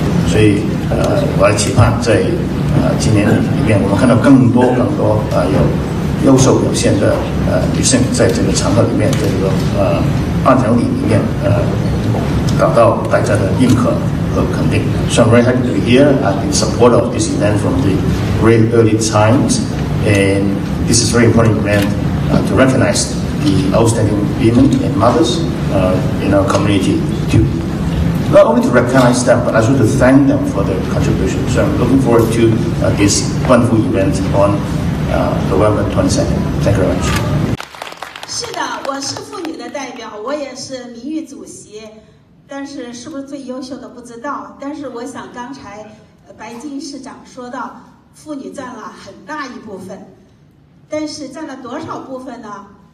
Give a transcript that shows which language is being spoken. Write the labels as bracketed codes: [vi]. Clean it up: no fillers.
[zh] 所以我还期盼在今年里面，我们看到更多有优秀表现的女性在这个长跑里面，这个半程里面得到大家的认可和肯定。 [en] So I'm very happy to be here and in support of this event from the great early times, and this is a very important event to recognize the outstanding women and mothers in our community too. Not only to recognize them, but also to thank them for their contribution. So I'm looking forward to this wonderful event on November 22nd. Thank you very much. [zh] 是的，我是妇女的代表，我也是名誉主席。但是是不是最优秀的不知道，但是我想刚才白金市长说到妇女占了很大一部分，但是占了多少部分呢？